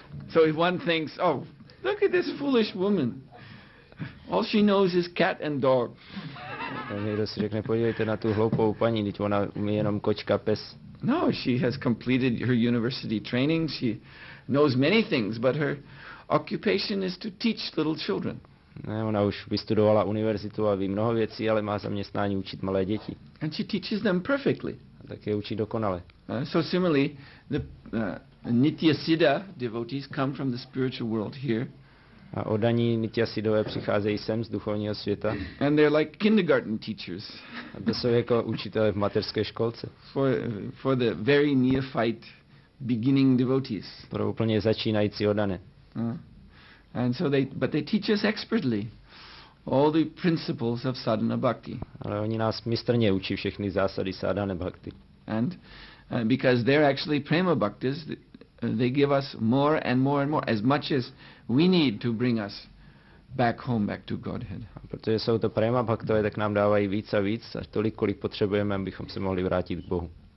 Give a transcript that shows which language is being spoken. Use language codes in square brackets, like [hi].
[en] So if one thinks, oh, look at this foolish woman. All she knows is cat and dog. [cs] Někdo si řekne, podívejte na tu hloupou paní, teď ona umí jenom kočka, pes. [en] No, she has completed her university training. She knows many things, but her occupation is to teach little children. [cs] Ne, ona už vystudovala univerzitu a ví mnoho věcí, ale má zaměstnání učit malé děti. [en] And she teaches them perfectly. [cs] A tak je učí dokonale. [en] So similarly, the nitya siddha devotees come from the spiritual world here. [cs] A oddaní nitya siddhové přicházejí sem z duchovního světa. [en] And they're like kindergarten teachers. [cs] A to jsou jako učitelé v mateřské školce. [en] For the very neophyte beginning devotees. [cs] Pro úplně začínající oddané. [en] And so they teach us expertly all the principles of sadhana bhakti. [cs] Ale oni nás mistrně učí všechny zásady sadhana bhakti. [en] And because they're actually prema bhaktis, they give us more and more and more, as much as we need to bring us back home, back to Godhead. [cs] A protože jsou to prema bhaktové, tak nám dávají víc a víc, až tolik, kolik potřebujeme, abychom se mohli vrátit k Bohu.